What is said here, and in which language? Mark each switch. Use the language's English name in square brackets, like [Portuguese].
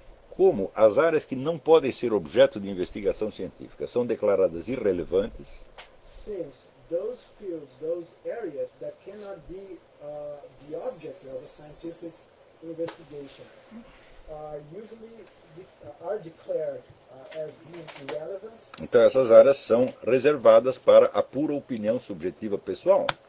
[Portuguese] Como as áreas que não podem ser objeto de investigação científica são declaradas irrelevantes, [English] since those fields, those areas that cannot be the object of a scientific investigation are usually are declared as being irrelevant. [Portuguese] Então essas áreas são reservadas para a pura opinião subjetiva pessoal.